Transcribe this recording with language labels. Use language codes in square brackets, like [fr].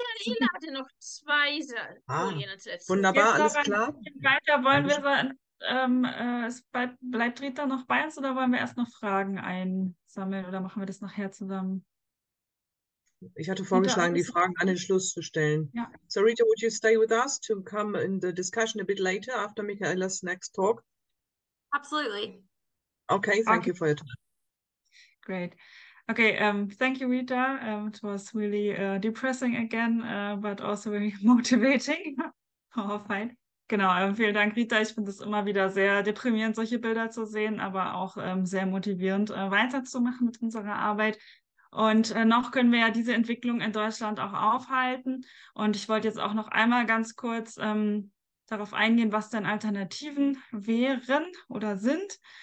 [de] Michaela hatte noch zwei Folien zu setzen. Wunderbar, jetzt alles klar. Weiter wollen wir sagen, bleibt Rita noch bei uns oder wollen wir erst noch Fragen einsammeln oder machen wir das nachher zusammen? Ich hatte vorgeschlagen, die Fragen an den Schluss zu stellen. Ja. [en] So Rita, would you stay with us to come in the discussion a bit later after Michaela's next talk? Absolutely. Okay, thank you for your time. Great. Okay, thank you, Rita. It was really depressing again, but also very motivating. [de] Oh, fein. Genau, vielen Dank, Rita. Ich finde es immer wieder sehr deprimierend, solche Bilder zu sehen, aber auch sehr motivierend, weiterzumachen mit unserer Arbeit. Und noch können wir ja diese Entwicklung in Deutschland auch aufhalten. Und ich wollte jetzt auch noch einmal ganz kurz darauf eingehen, was denn Alternativen wären oder sind.